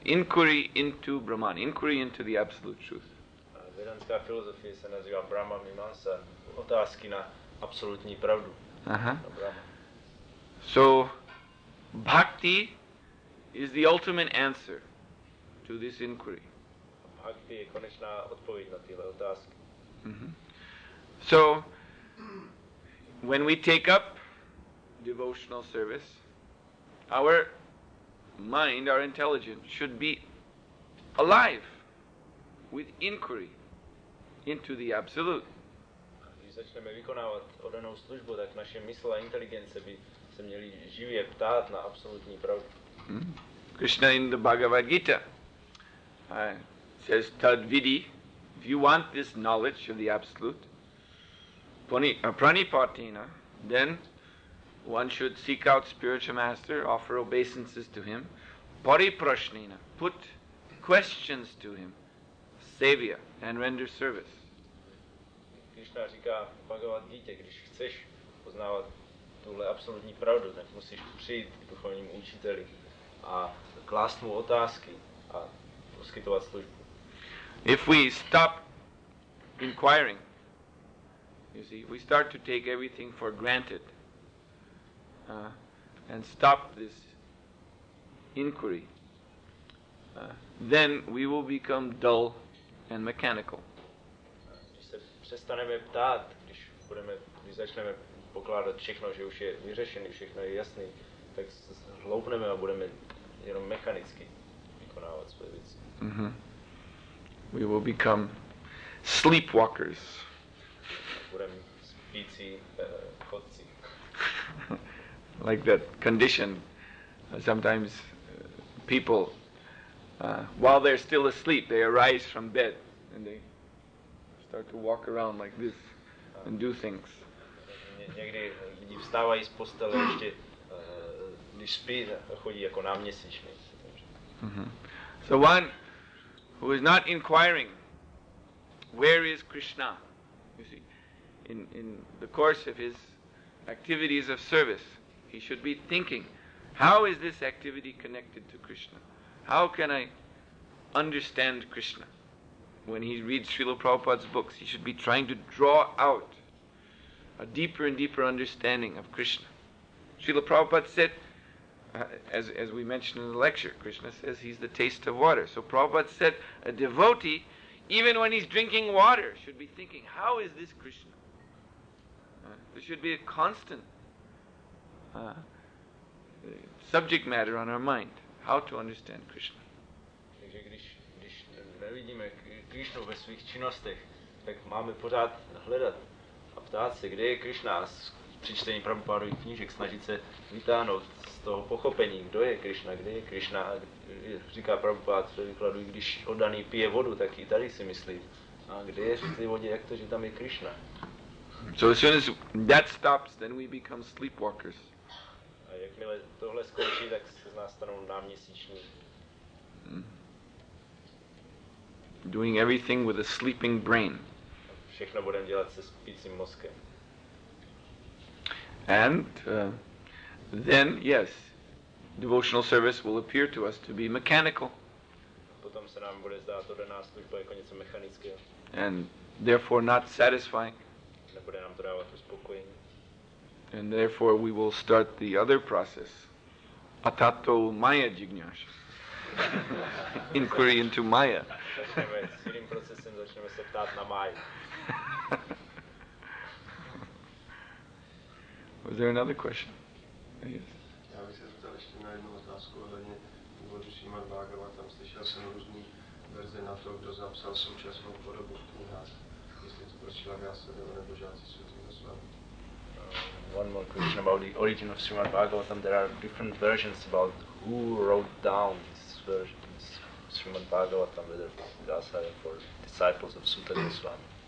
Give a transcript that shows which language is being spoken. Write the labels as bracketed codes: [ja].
[en] Inquiry into Brahman, inquiry into the absolute truth. [cs] Vedantská filozofie se nazývá Brahma Mimamsa, otázky na absolutní pravdu. [en] So bhakti is the ultimate answer to this inquiry. [cs] Bhakti je konečná odpověď na tyhle otázky. [en] So when we take up devotional service, our mind, our intelligence should be alive with inquiry into the absolute. [cs] Když začneme vykonávat odanou službu, tak naše mysl a inteligence by se měly živě ptát na absolutní pravdu. [en] Krishna in the Bhagavad Gita says, Tadvidi, if you want this knowledge of the Absolute, pranipatena, then one should seek out spiritual master, offer obeisances to him, pariprashnena, put questions to him, savior, and render service. [cs] Krishna říká v Bhagavad Gita, když chceš poznávat tuhle absolutní pravdu, tak musíš přijít k duchovním učiteli a klást mu otázky a poskytovat službu. [en] If we stop inquiring, you see, we start to take everything for granted and stop this inquiry, then we will become dull and mechanical. [cs] Když se přestaneme ptát, když začneme pokládat všechno, že už je vyřešené, všechno je jasné, tak zhloupneme a budeme jenom mechanicky vykonávat svoje věci. [en] We will become sleepwalkers. [cs] Budeme spící chodci. [en] Like that condition sometimes people, while they're still asleep, they arise from bed and they start to walk around like this and do things. [cs] Někdy lidi vstávají z postele ještě, když spí, chodí jako náměstíčný. [en] So one who is not inquiring, where is Krishna? You see, in the course of his activities of service, he should be thinking, how is this activity connected to Krishna? How can I understand Krishna? When he reads Srila Prabhupada's books, he should be trying to draw out a deeper and deeper understanding of Krishna. Srila Prabhupada said, as we mentioned in the lecture, Krishna says he's the taste of water. So Prabhupada said, a devotee, even when he's drinking water, should be thinking, how is this Krishna? There should be a constant subject matter on our mind, how to understand Krishna. [cs] Takže když nevidíme Krishnu ve svých činnostech, tak máme pořád hledat a ptát se, kde je Krishna, a při čtení Prabhupádových knížek snažit se vytáhnout z toho pochopení, kdo je Krishna, kde je Krishna. Říká Prabhupád ve výkladu, když oddaný pije vodu, tak i tady si myslí, a kde je v té vodě, jak to, že tam je Krishna. [en] So as soon as that stops, then we become sleepwalkers. [cs] A jakmile tohle skončí, tak se z nás stanou náměsíční. [en] Doing everything with a sleeping brain. [cs] Všechno budeme dělat se spícím mozkem. [en] And then, yes, devotional service will appear to us to be mechanical. [cs] Potom se nám bude zdát oddaná služba jako něco mechanického. [en] And therefore not satisfying. [cs] Nebude nám to dávat uspokojení. [en] And therefore we will start the other process. [sa] Atato maya jignasa. [en] Inquiry into maya. [cs] Začneme s tím procesem, začneme se ptát na maya. [en] Was there another question? Yes. [cs] Já bych se zeptal ještě na jednu otázku ohledně původu Srimad Bhagavatam. Slyšel jsem různý verze na to, kdo zapsal současnou podobu v knihách. Jestli to byl Srila Vyasadeva nebo žáci Srimad Bhagavatam. [en] One more question about the origin of Srimad Bhagavatam. There are different versions about who wrote down this version, this Srimad Bhagavatam, whether Vyasadeva or disciples of Sutta Goswami.